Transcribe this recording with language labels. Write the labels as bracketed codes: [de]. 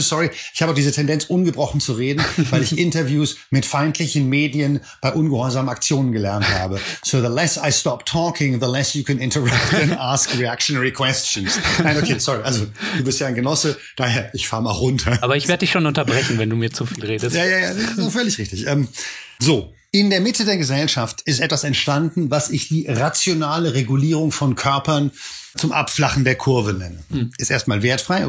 [de] Sorry, ich habe auch diese Tendenz, ungebrochen zu reden, weil ich Interviews mit feindlichen Medien bei ungehorsamen Aktionen gelernt habe. [en] So the less I stop talking, the less you can interrupt and ask reactionary questions. [de] Nein, okay, sorry, also du bist ja ein Genosse, daher, ich fahre mal runter. Aber ich werde dich schon unterbrechen, wenn du mir zu viel redest. Ja, so völlig richtig. In der Mitte der Gesellschaft ist etwas entstanden, was ich die rationale Regulierung von Körpern zum Abflachen der Kurve nenne. Ist erstmal wertfrei.